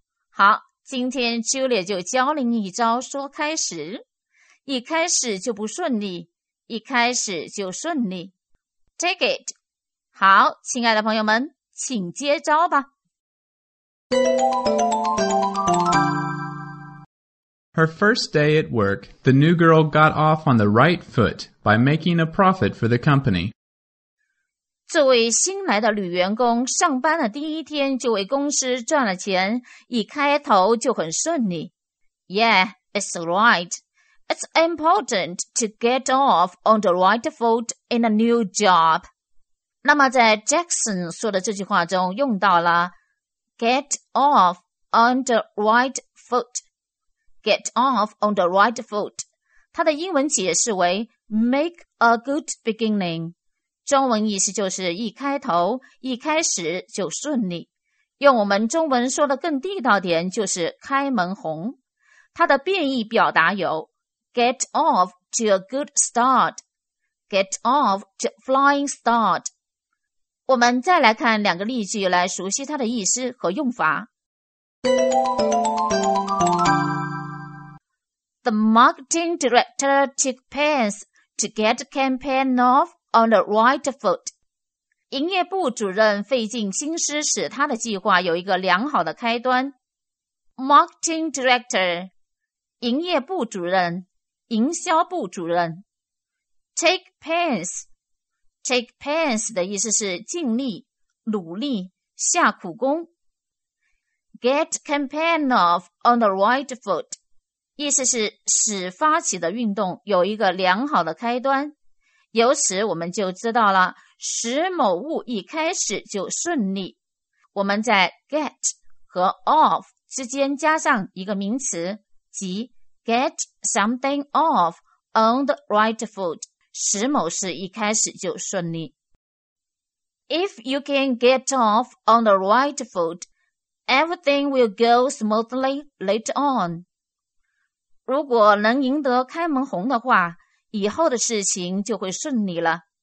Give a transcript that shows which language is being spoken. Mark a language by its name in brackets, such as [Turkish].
[Chinese] 好，今天 Julia 就教您一招说开始。一开始就不顺利，一开始就顺利。 [English] Take it。 [Chinese] 好，亲爱的朋友们，请接招吧。 [English] Her first day at work, the new girl got off on the right foot by making a profit for the company. [Chinese] 这位新来的女员工上班的第一天就为公司赚了钱，一开头就很顺利。 [English] Yeah, it's right. It's important to get off on the right foot in a new job. [Chinese] 那么在 Jackson 说的这句话中用到了 [English] get off on the right foot. Get off on the right foot. [Chinese] 它的英文解释为 [English] make a good beginning. [Chinese] 中文意思就是一开头，一开始就顺利。用我们中文说的更地道点就是开门红。它的变异表达有 [English] get off to a good start, get off to a flying start. [Chinese] 我们再来看两个例句来熟悉它的意思和用法。 [English] The marketing director took pains to get the campaign off on the right foot. [Chinese] 营业部主任费尽心思使他的计划有一个良好的开端。 [English] Marketing director, [Chinese] 营业部主任，营销部主任。 [English] take pains [Chinese] 的意思是尽力、努力、下苦功。 [English] get the campaign off on the right foot. [Chinese] 意思是使发起的运动有一个良好的开端，由此我们就知道了使某物一开始就顺利。我们在 get 和 off 之间加上一个名词，即 [English] get something off on the right foot， [Chinese] 使某事一开始就顺利。 [English] If you can get off on the right foot, everything will go smoothly later on. [Chinese] 如果能赢得开门红的话，以后的事情就会顺利了。